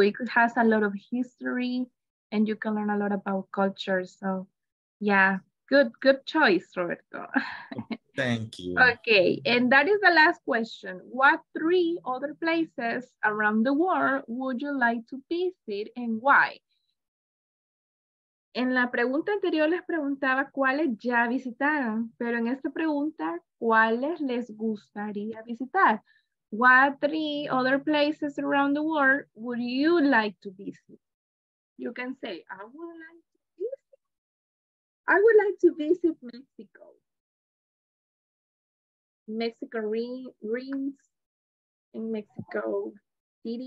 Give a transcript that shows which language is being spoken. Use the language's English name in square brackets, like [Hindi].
[English] It has a lot of history and you can learn a lot about culture. So yeah, good choice, Roberto. Thank you. Okay, and that is the last question. What three other places around the world would you like to visit and why? [Spanish] En la pregunta anterior les preguntaba cuáles ya visitaron, pero en esta pregunta, ¿cuáles les gustaría visitar? [English] What three other places around the world would you like to visit? You can say, I would like to visit Mexico. Mexico rings in Mexico City.